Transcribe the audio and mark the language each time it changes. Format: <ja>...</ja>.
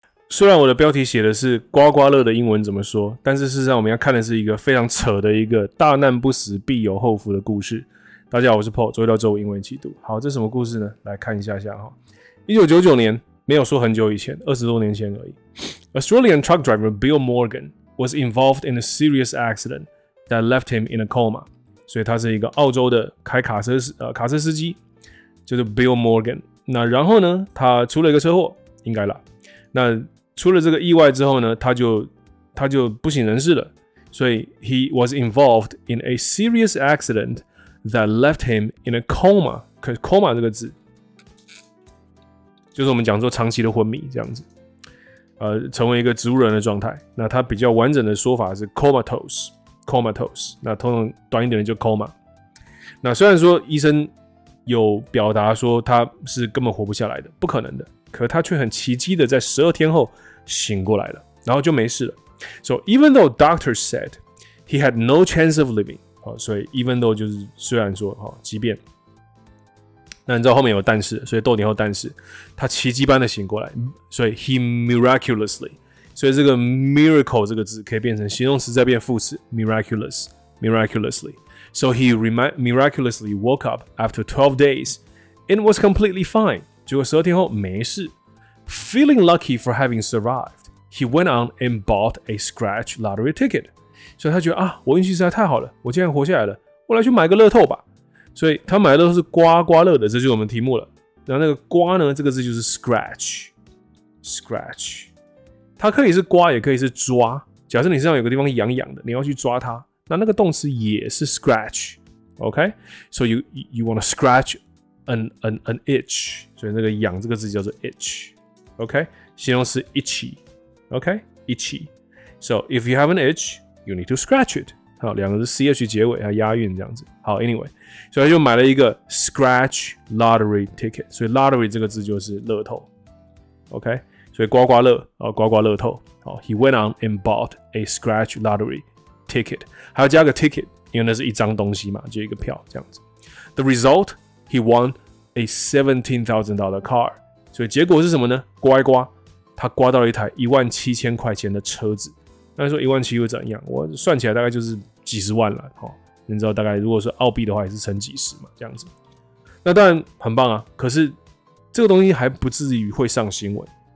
<zh>虽然我的标题写的是刮刮乐的英文怎么说，但是事实上我们要看的是一个非常扯的一个大难不死必有后福的故事。大家好，我是 Paul， 周一到周五英文起读。好，这是什么故事呢？来看一下下哈。 1999年，没有说很久以前，20多年前而已。</zh> <en>Australian truck driver Bill Morgan was involved in a serious accident that left him in a coma。</en> <zh>所以他是一个澳洲的开卡车司机，就是 Bill Morgan。那然后呢，他出了一个车祸，应该啦。那出了这个意外之后呢，他就不省人事了。所以</zh> <en>he was involved in a serious accident that left him in a coma。</en> <zh>coma 这个字，就是我们讲说长期的昏迷这样子，成为一个植物人的状态。那他比较完整的说法是 comatose。那通常短一点的就 coma。那虽然说医生有表达说他是根本活不下来的，不可能的。可他却很奇迹的在12天后醒过来了，然后就没事了。</zh> <en>So even though doctors said he had no chance of living，</en> <zh>所以 even though 就是虽然说即便，那你知道后面有但是，所以逗点后但是，他奇迹般的醒过来，所以</zh> <en>he miraculously，</en> <zh>所以这个 miracle 这个字可以变成形容词再变副词 miraculously。</zh> <en>So he miraculously woke up after 12 days and was completely fine。</en> <zh>结果12天后没事。</zh> <en>Feeling lucky for having survived, he went on and bought a scratch lottery ticket.</en> <zh>所以他觉得啊，我运气实在太好了，我竟然活下来了，我来去买个乐透吧。所以他买的乐透是刮刮乐的，这就是我们题目了。然后那个刮呢，这个字就是 scratch。它可以是刮，也可以是抓。假设你身上有个地方痒痒的，你要去抓它，那个动词也是 scratch。</zh> <en>OK? So you want to scratch an itch.</en> <zh>所以那个痒这个字叫做 itch， OK， 形容词 itchy， OK， itchy。</zh> <en>So if you have an itch， you need to scratch it。</en> <zh>好，两个字 ch 结尾要押韵这样子。好， anyway， 所以他就买了一个 scratch lottery ticket。所以 lottery 这个字就是乐透， OK， 所以刮刮乐，刮刮乐透。好，</zh> <en>he went on and bought a scratch lottery ticket，</en> <zh>还要加个 ticket， 因为那是一张东西嘛，就一个票这样子。</zh> <en>The result， he wonA $17,000 car，</en> <zh>所以结果是什么呢？刮一刮，他刮到了一台17,000块钱的车子。那说17,000又怎样？我算起来大概就是几十万了，哈。你知道大概如果说澳币的话，也是乘几十嘛，这样子。那当然很棒啊，可是这个东西还不至于会上新闻。</zh>